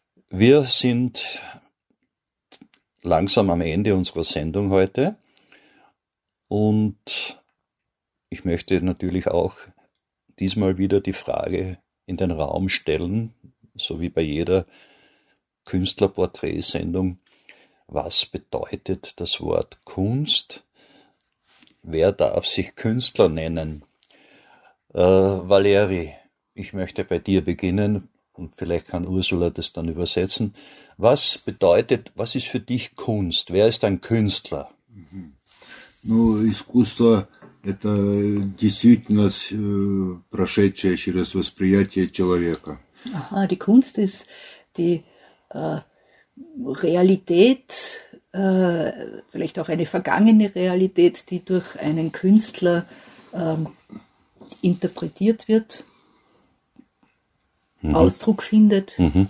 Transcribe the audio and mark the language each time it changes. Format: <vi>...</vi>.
<de>Wir sind langsam am Ende unserer Sendung heute und ich möchte natürlich auch diesmal wieder die Frage in den Raum stellen, so wie bei jeder Künstlerporträtsendung: Was bedeutet das Wort Kunst? Wer darf sich Künstler nennen? Valeri, ich möchte bei dir beginnen und vielleicht kann Ursula das dann übersetzen. Was bedeutet, was ist für dich Kunst? Wer ist ein Künstler?</de> <ru>Искусство – это действительно прошедшее через восприятие человека.</ru> <de>Aha, die Kunst ist die Realität, vielleicht auch eine vergangene Realität, die durch einen Künstler interpretiert wird, Ausdruck findet.</de>